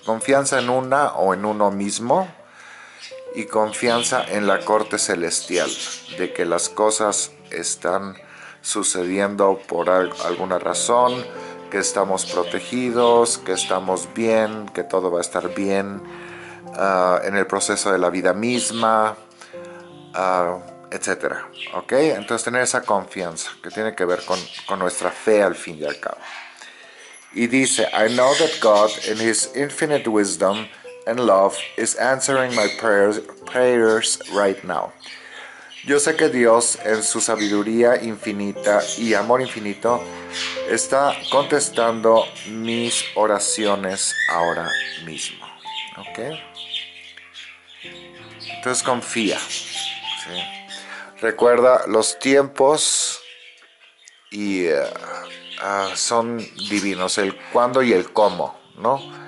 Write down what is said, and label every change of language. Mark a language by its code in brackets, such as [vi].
[es] Confianza en una o en uno mismo y confianza en la corte celestial, de que las cosas están sucediendo por alguna razón, que estamos protegidos, que estamos bien, que todo va a estar bien, en el proceso de la vida misma. Etcétera. ¿Ok? Entonces, tener esa confianza que tiene que ver con nuestra fe al fin y al cabo. Y dice: [en] I know that God, in His infinite wisdom and love, is answering my prayers right now. [es] Yo sé que Dios, en su sabiduría infinita y amor infinito, está contestando mis oraciones ahora mismo. ¿Ok? Entonces, confía. ¿Sí? Recuerda, los tiempos y son divinos, el cuándo y el cómo, ¿no?